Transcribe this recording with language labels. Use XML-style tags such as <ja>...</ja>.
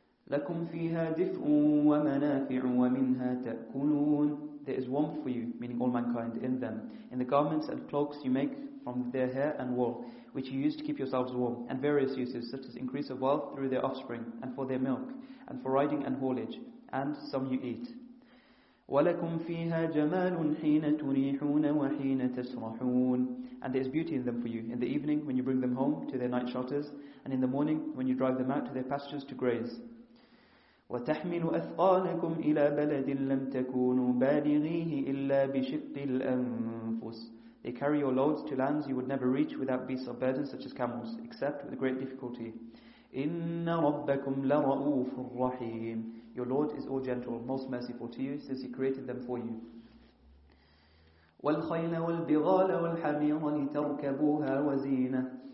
<ar>لَكُمْ فِيهَا دِفْءٌ وَمَنَافِعٌ وَمِنْهَا تَأْكُلُونَ.</ar> <en>There is warmth for you, meaning all mankind, in them, in the garments and cloaks you make from their hair and wool, which you use to keep yourselves warm, and various uses, such as increase of wealth through their offspring, and for their milk, and for riding and haulage, and some you eat.</en> <ar>ولكم فيها جمال حين تريحون وحين تسرحون.</ar> <en>And there is beauty in them for you in the evening when you bring them home to their night shelters, and in the morning when you drive them out to their pastures to graze.</en> <ar>وتحمل أثقالكم إلى بلد لم تكونوا بالغيه إلا بشق الأنفس.</ar> <en>They carry your loads to lands you would never reach without beasts of burden such as camels, except with great difficulty.</en> <ar>إِنَّ رَبَّكُمْ لَرَؤُوفٌ رَحِيمٌ.</ar> <en>Your Lord is all gentle, most merciful to you, since He created them for you.</en> <ar>وَالْخَيْلَ وَالْبِغَالَ وَالْحَمِيرَ لِتَرْكَبُوهَا وَزِينَةً.</ar>